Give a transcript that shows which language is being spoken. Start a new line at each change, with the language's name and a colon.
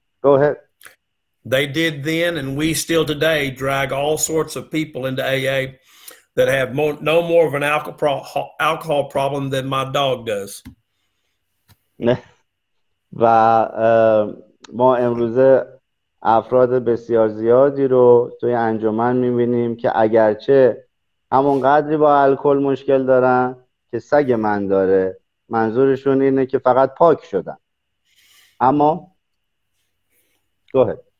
English: Go ahead. They did then and we still today drag all sorts of people into AA that have no more of an alcohol problem than my dog does.
Persian: و ما امروزه افراد بسیار زیادی رو توی انجمن میبینیم که اگرچه همون قدری با الکل مشکل دارن که سگ من داره، منظورشون اینه که فقط پاک شدن. اما
English: گوهد